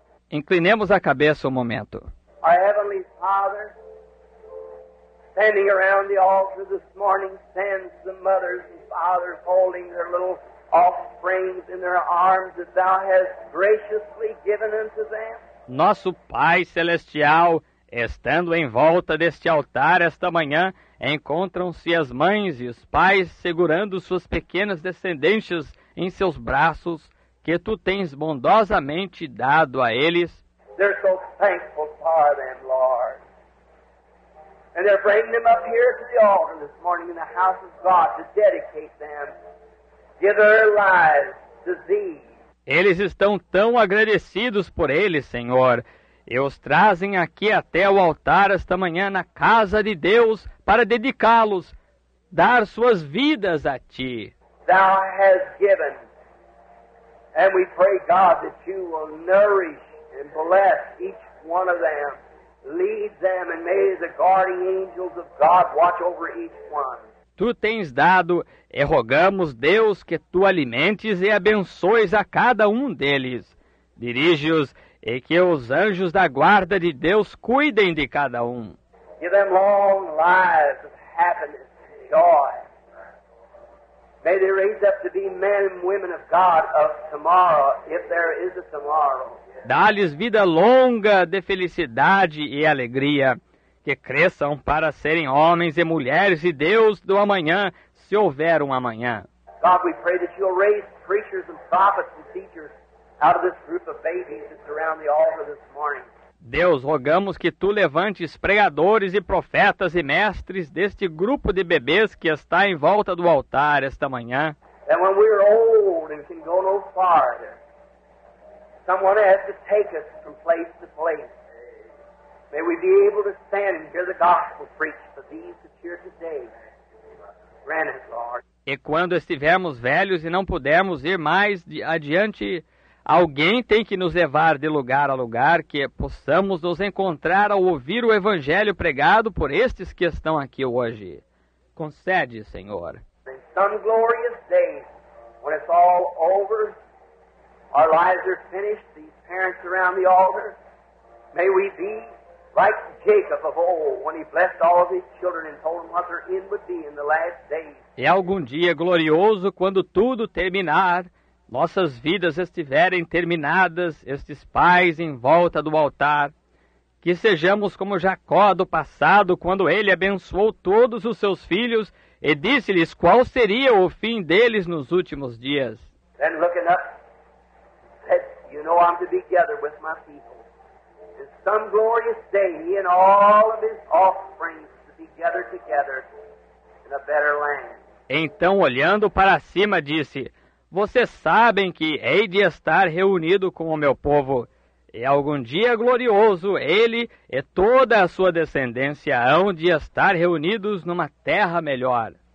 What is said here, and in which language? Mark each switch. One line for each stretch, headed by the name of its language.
Portuguese: Inclinemos a cabeça um momento.
English: Our Heavenly Father, standing around the altar this morning, stands the mothers and fathers holding their little offsprings in their arms that Thou hast graciously given unto them.
Portuguese: Nosso Pai Celestial, estando em volta deste altar esta manhã, encontram-se as mães e os pais segurando suas pequenas descendências em seus braços, que Tu tens bondosamente dado a eles.
English: They're so thankful for them, Lord. And they're bringing them up here to the altar this morning in the house of God to dedicate them, give their lives to Thee.
Portuguese: Eles estão tão agradecidos por eles, Senhor, e os trazem aqui até o altar esta manhã na casa de Deus para dedicá-los, dar suas vidas a Ti.
English: Thou has given, and we pray, God, that You will nourish and bless each one of them. Lead them, and may the guardian angels of God watch over each one.
Portuguese: Tu tens dado, e rogamos, Deus, que Tu alimentes e abençoes a cada um deles. Dirige-os, e que os anjos da guarda de Deus cuidem de cada um.
English: Give them long lives of happiness and joy. May they raise up to be men and women of God of tomorrow, if there is a tomorrow.
Portuguese: Dá-lhes vida longa de felicidade e alegria, que cresçam para serem homens e mulheres de Deus do amanhã, se houver um amanhã.
English: God, we pray that You'll raise preachers and prophets and teachers out of this group of babies that's around the altar this morning.
Portuguese: Deus, rogamos que Tu levantes pregadores e profetas e mestres deste grupo de bebês que está em volta do altar esta manhã.
English: And when we're old and can go no farther, someone has to take us from place to place. May we be able to stand and hear the gospel preached for these that hear today. Grant it, Lord.
Portuguese: E quando estivermos velhos e não pudermos ir mais adiante, alguém tem que nos levar de lugar a lugar, que possamos nos encontrar ao ouvir o evangelho pregado por estes que estão aqui hoje. Concede, Senhor.
English: In some glorious day, when it's all over, our lives are finished, these parents around the altar, may we be like Jacob of old, when he blessed all of his children and told them what their end would be in the last days.
Portuguese: E algum dia glorioso, quando tudo terminar, nossas vidas estiverem terminadas, estes pais em volta do altar, que sejamos como Jacó do passado, quando ele abençoou todos os seus filhos e disse-lhes qual seria o fim deles nos últimos dias.
English: Then looking up, said, you know I'm to be together with my people. And some glorious day, he and all of his offspring to be gathered together in a better land.
Portuguese: Então, olhando para cima, disse, vocês sabem que hei de estar reunido com o meu povo, e algum dia glorioso ele e toda a sua descendência hão de estar reunidos numa terra melhor.